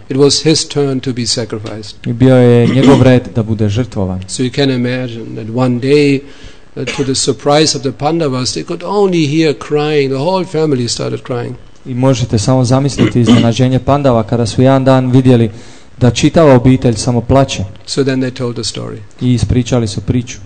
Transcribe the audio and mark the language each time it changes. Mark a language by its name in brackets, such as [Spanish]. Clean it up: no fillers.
[English] It was his turn to be sacrificed. [Croatian] I bio je njegov red da bude žrtvovan. [English] So you can imagine that one day, to the surprise of the Pandavas, they could only hear crying. The whole family started crying. [Croatian] I možete samo zamisliti iznenađenje Pandava kada su jedan dan vidjeli da čitava obitelj samo plače. [English] So then they told the story. [Croatian] I ispričali su priču.